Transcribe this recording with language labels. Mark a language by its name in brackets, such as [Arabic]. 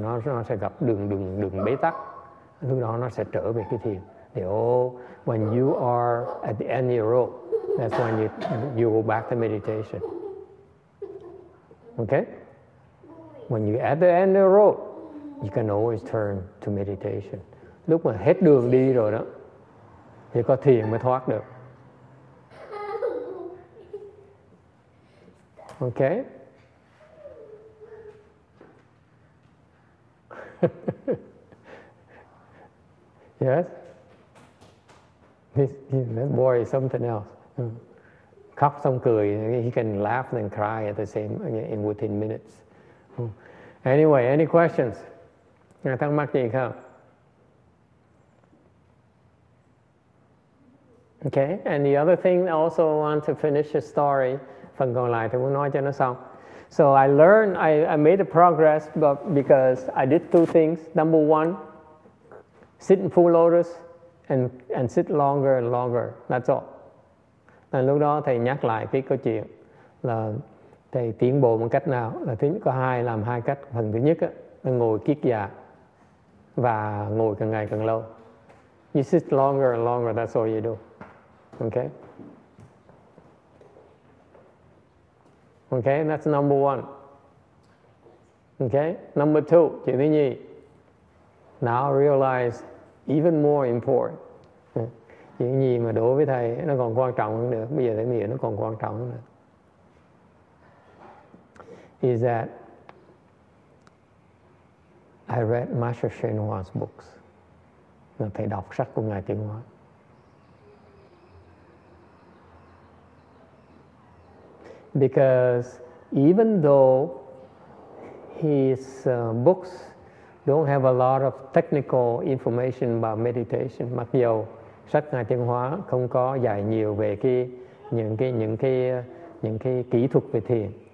[Vietnamese] Nó sẽ gặp đường bế tắc. Lúc đó nó sẽ trở về cái thiền. [English] When you are at the end of your rope, that's when you go back to meditation. Okay? When you're at the end of the rope, you can always turn to meditation. [Vietnamese] Lúc mà hết đường đi rồi đó, thì có thiền mới thoát được. [English] Okay? Yes? This boy is something else. [Vietnamese] Khóc xong cười, [English] he can laugh and cry at the same in within minutes. Anyway, any questions? [Vietnamese] Nghe thắc mắc gì không? [English] Okay. And the other thing, I also want to finish the story. [Vietnamese] Phần còn lại thì muốn nói cho nó xong. [English] So I learned, I made a progress, but because I did two things. Number one, sit in full lotus and sit longer and longer. That's all. [Vietnamese] Và lúc đó thầy nhắc lại cái câu chuyện là thầy tiến bộ bằng cách nào, là thứ nhất có hai, làm hai cách. Phần thứ nhất là ngồi kiết già và ngồi càng ngày càng lâu. [English] You sit longer and longer, that's all you do. Okay? Okay, that's number one. Okay, number two, [Vietnamese] chuyện thứ nhì. [English] Now realize even more important. [Vietnamese] Chuyện gì mà đối với thầy nó còn quan trọng hơn nữa, bây giờ thầy nghĩ nó còn quan trọng hơn nữa. [English] Is that I read Master Shen Hua's books. [Vietnamese] Là thầy đọc sách của Ngài Tiến Hóa. [English] Because even though his books don't have a lot of technical information about meditation, [Vietnamese] mặc dù sách Ngài Tiến Hóa không có dạy nhiều về cái những cái kỹ thuật về thiền.